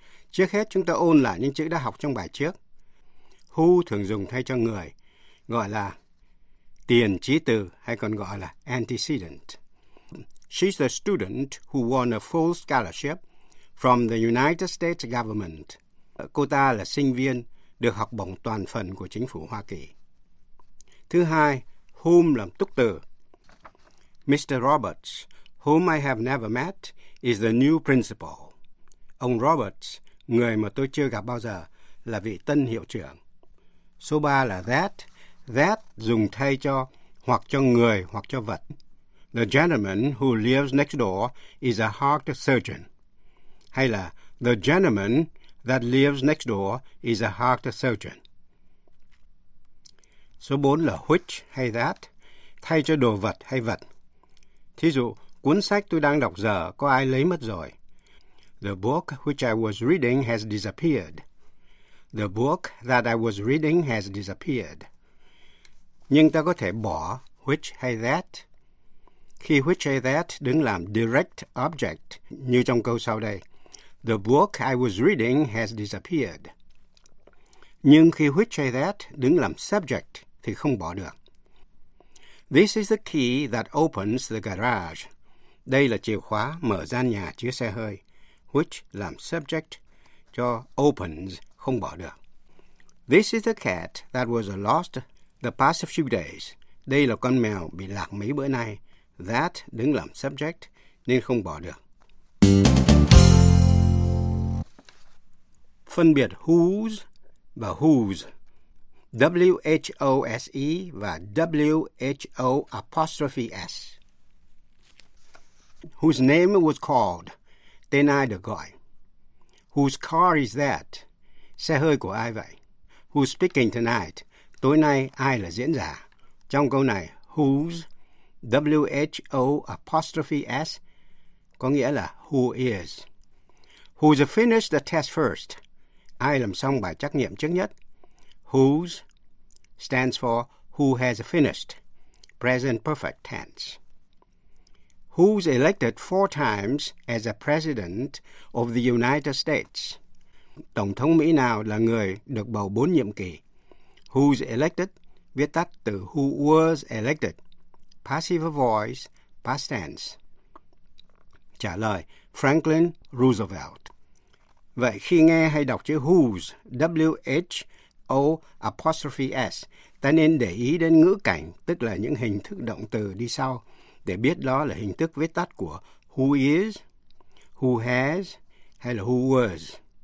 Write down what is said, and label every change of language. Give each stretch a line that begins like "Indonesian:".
Vietnamese: Trước hết, chúng ta ôn lại những chữ đã học trong bài trước. Who thường dùng thay cho người, gọi là tiền chí từ, hay còn gọi là antecedent.
English: She's the student who won a full scholarship from the United States government.
Vietnamese: Cô ta là sinh viên được học bổng toàn phần của chính phủ Hoa Kỳ. Thứ hai, whom làm túc từ. Mr.
English: Roberts, whom I have never met, is the new principal.
Vietnamese: Ông Roberts, người mà tôi chưa gặp bao giờ, là vị tân hiệu trưởng. Số 3 là that. That dùng thay cho hoặc cho người hoặc cho vật.
English: The gentleman who lives next door is a heart surgeon. Hay là the gentleman that lives next door is a heart surgeon.
Vietnamese: Số 4 là which hay that, thay cho đồ vật hay vật. Thí dụ, cuốn sách tôi đang đọc giờ có ai lấy mất rồi.
English: The book which I was reading has disappeared. The book that I was reading has disappeared.
Vietnamese: Nhưng ta có thể bỏ which hay that khi which hay that đứng làm direct object như trong câu sau đây.
English: The book I was reading has disappeared.
Vietnamese: Nhưng khi which hay that đứng làm subject thì không bỏ được.
English: This is the key that opens the garage.
Vietnamese: Đây là chìa khóa mở gian nhà chứa xe hơi. Which làm subject cho opens, không bỏ được.
English: This is the cat that was lost the past few days.
Vietnamese: Đây là con mèo bị lạc mấy bữa nay. That đứng làm subject nên không bỏ được. Phân biệt whose và whose. WHOSE và WHO apostrophe S.
English: Whose name was called?
Vietnamese: Tên ai được gọi?
English: Whose car is that?
Vietnamese: Xe hơi của ai vậy?
English: Who's speaking tonight?
Vietnamese: Tối nay ai là diễn giả? Trong câu này, whose, WHO apostrophe S, có nghĩa là who is.
English: Who's finished the test first?
Vietnamese: Ai làm xong bài trắc nghiệm trước nhất?
English: Whose stands for who has finished, present perfect tense. Who's elected 4 times as a president of the United States?
Vietnamese: Tổng thống Mỹ nào là người được bầu 4 nhiệm kỳ?
English: Who's elected, viết tắt từ who was elected, passive voice, past tense.
Vietnamese: Trả lời, Franklin Roosevelt. Vậy khi nghe hay đọc chữ whose, W-H-O apostrophe S, ta nên để ý đến ngữ cảnh, tức là những hình thức động từ đi sau, để biết đó là hình thức viết tắt của who is, who has, hay là who was.